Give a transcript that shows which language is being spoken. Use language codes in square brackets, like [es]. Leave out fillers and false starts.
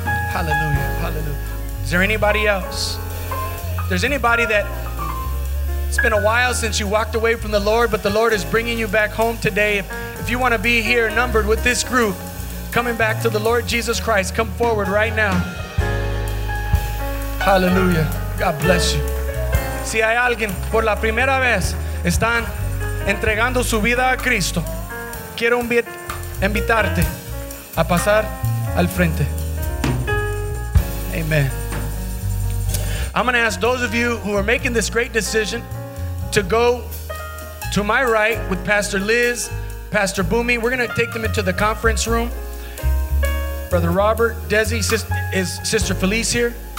[en] Hallelujah, hallelujah. Is there anybody else? If there's anybody that it's been a while since you walked away from the Lord, but the Lord is bringing you back home today. If you want to be here numbered with this group, coming back to the Lord Jesus Christ, come forward right now. Hallelujah. God bless you. [es] Si hay alguien por la primera vez están entregando su vida a Cristo, quiero invitarte a pasar al frente. [en] Amen. I'm going to ask those of you who are making this great decision to go to my right with Pastor Liz, Pastor Boomy. We're going to take them into the conference room. Brother Robert, Desi, is Sister Felice here?